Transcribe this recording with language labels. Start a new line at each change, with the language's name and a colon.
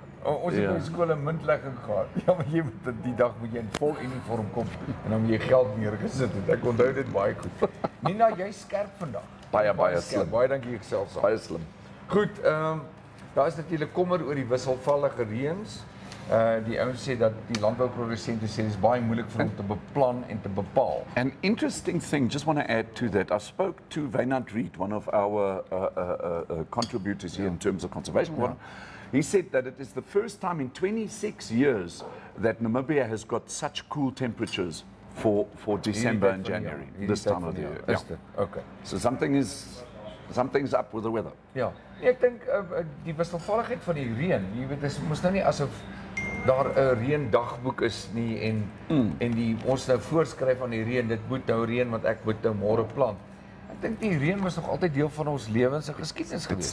Afrikaans: Ons het in skool 'n muntlegging gehad. Ja, maar jy moet die dag moet jy in vol uniform kom en dan moet jy geld neergesit het. Ek onthou dit baie goed. Nina, jy's skerp vandag. Baie slim. Baie dankie ekself. Baie slim. Goed, daar is natuurlik kommer oor die wisselvallige reëns. Die ouens sê dat die landbouprodusente sê dit is baie moeilik vir hulle om te beplan en te bepaal.
English: An interesting thing, just want to add to that. I spoke to Wynand Reed, one of our contributors here in terms of conservation. Yeah. He said that it is the first time in 26 years that Namibia has got such cool temperatures for December and January, this time of the year. Yeah. Okay. So something's up with the weather. Yeah.
Afrikaans: Ek dink die wisselvalligheid van die reën, jy weet, dit moes nou nie asof daar 'n reendagboek is nie en die ons nou voorskryf van die reën, dit moet nou reën want ek moet nou môre plant. Ek dink die reën was nog altyd deel van ons lewens en geskiedenis gewees.